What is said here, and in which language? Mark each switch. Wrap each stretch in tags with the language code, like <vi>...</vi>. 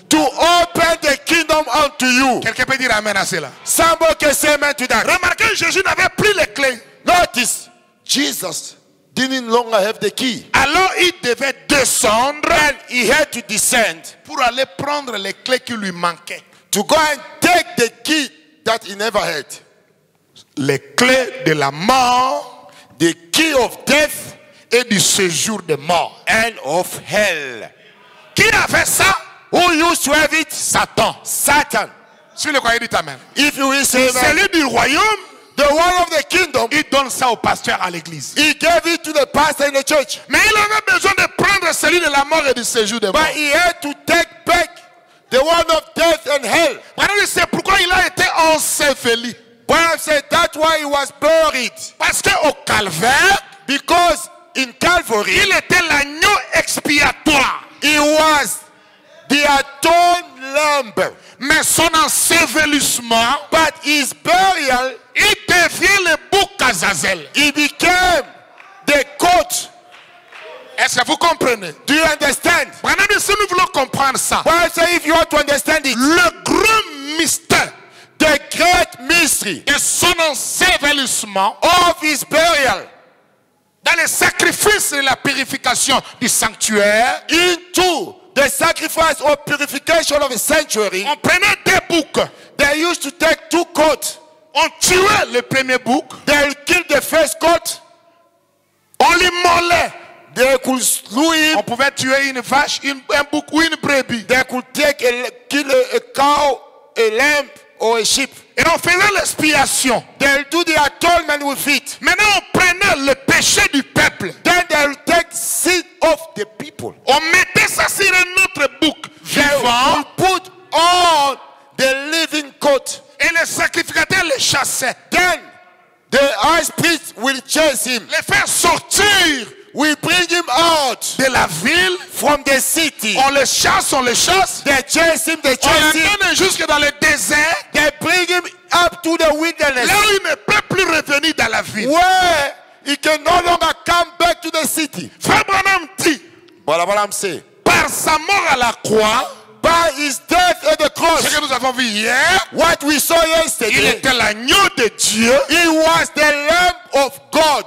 <en>To open the kingdom unto you.</en> <fr>Quelqu'un peut dire amen à cela.</fr> <en>Somebody can say amen to that.</en> <fr>Remarquez, Jésus n'avait plus les clés.</fr> <en>Notice, Jesus didn't longer have the key.</en> <fr>Alors il devait descendre.</fr> <en>And he had to descend.</en> <fr>Pour aller prendre les clés qui lui manquaient.</fr> <en>To go and take the key that he never had.</en> <fr>Les clés de la mort.</fr> <en>The key of death.</en> <fr>Et du séjour de mort.</fr> <en>And of hell.</en> <fr>Qui a fait ça?</fr> <en>Who used to have it?</en> <fr>Satan.</fr> <en>Satan.</en> <fr>Si le croyant dit amen.</fr> <en>If you will say</en> <fr>amen. Celui du royaume.</fr> <en>The one of the kingdom.</en> <fr>Il donne ça au pasteur à l'église.</fr> <en>He gave it to the pastor in the church.</en> <fr>Mais il avait besoin de prendre celui de la mort et du séjour de</fr> <en>But</en> <fr>mort.</fr> <en>But he had to take back the one of death and hell.</en> <fr>Alors c'est pourquoi il a été enseveli.</fr> <en>Paul said that's why he was buried.</en> <fr>Parce que au calvaire.</fr> <en>Because in Calvary,</en> <fr>il était l'agneau expiatoire.</fr> <en>He was the atoned lamb.</en> <fr>Mais son ensevelissement,</fr> <en>but his burial,</en> <fr>il devient le bouc Azazel.</fr> <en>He became the goat.</en> <fr>Est-ce que vous comprenez?</fr> <en>Do you understand?</en> <fr>Brandon, si nous voulons comprendre ça,</fr> <en>well, so if you want to understand it,</en> <fr>le grand mystère,</fr> <en>the great mystery,</en> <fr>de son ensevelissement,</fr> <en>of his burial.</en> <fr>Dans les sacrifices et la purification du sanctuaire,</fr> <en>into the sacrifice or purification of the sanctuary,</en> <fr>on prenait deux boucs.</fr> <en>They used to take two goats.</en> <fr>On tuait le premier bouc.</fr> <en>They killed the first goat.</en> <fr>On l'immolait.</fr> <en>They could slew him.</en> <fr>On pouvait tuer une vache, un bouc ou une brebis.</fr> <en>They could take kill a cow, a lamb. Or a sheep.</en> <fr>Et on faisait l'expiation.</fr> <en>They'll do the atonement with it.</en> <fr>Maintenant, on prenait le péché du peuple.</fr> <en>Then they'll take sin of the people.</en> <fr>On mettait ça sur un autre bouc vivant.</fr> <en>They put on the living coat.</en> <fr>Et le sacrificateur le chassait.</fr> <en>Then the high priest will chase him.</en> <fr>Le faire sortir.</fr> <en>We bring him out</en> <fr>de la ville,</fr> <en>from the city.</en> <fr>On le chasse,</fr> <en>they chase him, they chase</en> <fr>on</fr> <en>him.</en> <fr>On l'amène jusque dans le désert,</fr> <en>they bring him up to the wilderness.</en> <fr>Là où il ne peut plus revenir dans la ville.</fr> <en>Where he can no longer come back to the city.</en> <fr>Abraham dit, voilà, voilà, c'est par sa mort à la croix,</fr> <en>by his death at the cross.</en> <fr>Ce que nous avons vu hier,</fr> <en>what we saw yesterday,</en> <fr>il était l'agneau de Dieu,</fr> <en>he was the Lamb of God,</en>